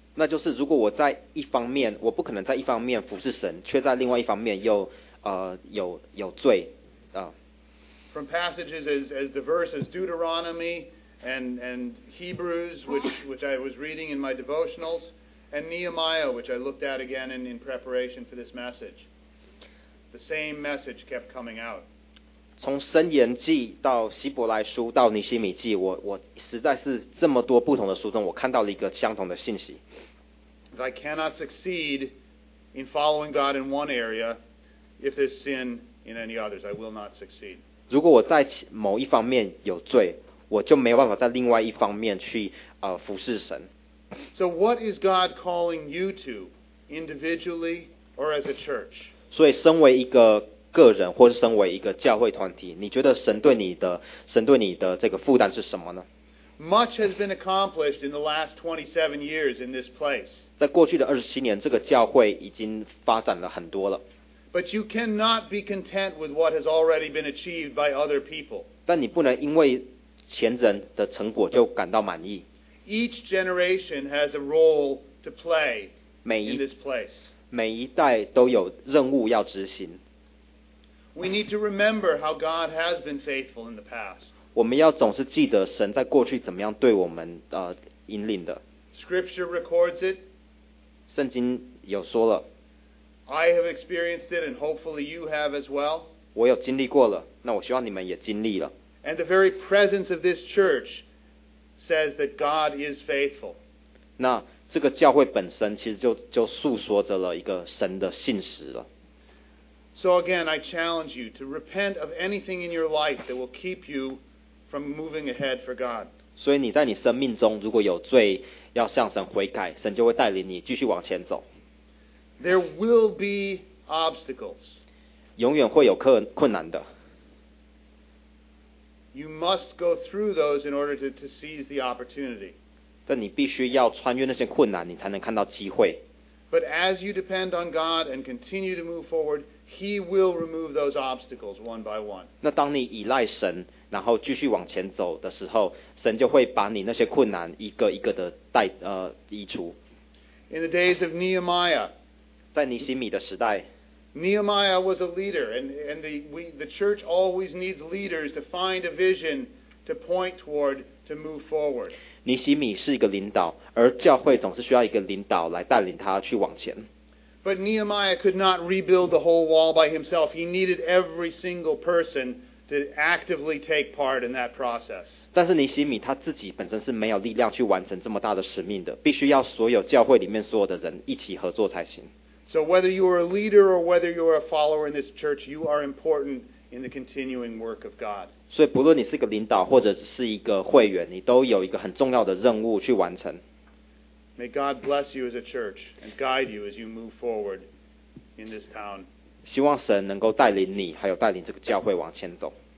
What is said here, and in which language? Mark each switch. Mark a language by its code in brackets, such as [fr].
[zh] 那就是如果我在一方面，我不可能在一方面服侍神，却在另外一方面又有罪啊。 [en] From passages as diverse as Deuteronomy and Hebrews, which I was reading in my devotionals. And Nehemiah, which I looked at again in preparation for this message, the same message kept coming out. [zh] 从申言记到希伯来书到尼希米记，我实在是这么多不同的书中，我看到了一个相同的信息。 [en] If I cannot succeed in following God in one area, if there's sin in any others, I will not succeed. [zh] 如果我在某一方面有罪，我就没办法在另外一方面去服侍神。 [en] So what is God calling you to, individually or as a church? [zh] 所以身为一个个人或是身为一个教会团体，你觉得神对你的这个负担是什么呢？ [en] Much has been accomplished in the last 27 years in this place. [zh] 在过去的27年，这个教会已经发展了很多了。 [en] But you cannot be content with what has already been achieved by other people. [zh] 但你不能因为前人的成果就感到满意。 [en] Each generation has a role to play in this place. [zh] 每一代都有任务要执行。 [en] We need to remember how God has been faithful in the past. [zh] 我们要总是记得神在过去怎么样对我们引领的。 [en] Scripture records it. [zh] 圣经有说了。 [en] I have experienced it, and hopefully you have as well. [zh] 我有经历过了，那我希望你们也经历了。 [en] And the very presence of this church says that God is faithful. [zh] 那这个教会本身其实就诉说着了一个神的信实了。 [en] So again, I challenge you to repent of anything in your life that will keep you from moving ahead for God. [zh] 所以你在你生命中如果有罪，要向神悔改，神就会带领你继续往前走。 [en] There will be obstacles. [zh] 永远会有困难的。 [en] You must go through those in order to seize the opportunity. [zh] 但你必须要穿越那些困难，你才能看到机会。 [en] But as you depend on God and continue to move forward, He will remove those obstacles one by one. [zh] 那当你依赖神，然后继续往前走的时候，神就会把你那些困难一个一个的移除。 [en] In the days of Nehemiah, [zh] 在尼希米的时代 [en] ，Nehemiah was a leader, and the church always needs leaders to find a vision to point toward to move forward. [zh] 尼希米是一个领导，而教会总是需要一个领导来带领他去往前。 [en] But Nehemiah could not rebuild the whole wall by himself. He needed every single person to actively take part in that process. [zh] 但是尼希米他自己本身是没有力量去完成这么大的使命的，必须要所有教会里面所有的人一起合作才行。 [en] So whether you are a leader or whether you are a follower in this church, you are important in the continuing work of God. [zh] 所以不论你是个领导或者是一个会员，你都有一个很重要的任务去完成。 [en] May God bless you as a church and guide you as you move forward in this town. [zh] 希望神能够带领你，还有带领这个教会往前走。